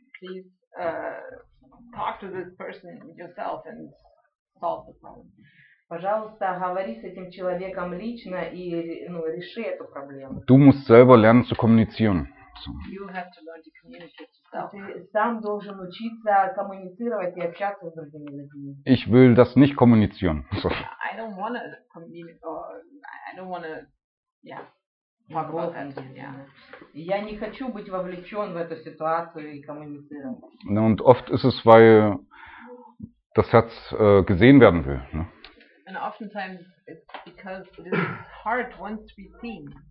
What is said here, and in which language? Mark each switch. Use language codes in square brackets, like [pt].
[en] Please talk to this person yourself and solve the problem. [ru] Пожалуйста, говори с этим человеком лично и, ну, реши эту проблему. [de] Du musst selber lernen zu kommunizieren. общаться. [en] You have to learn to communicate yourself. [ru] Ты сам должен учиться коммуницировать и общаться с другими людьми. [de] Ich will das nicht kommunizieren. [en] I don't want to communicate. I don't want to, yeah, talk about that. Yeah. [ru] Я не хочу быть вовлечен в эту ситуацию и коммуницировать. [de] Ну, und oft ist es, weil das Herz gesehen werden will. Ne? [en] And oftentimes it's because this heart wants to be seen.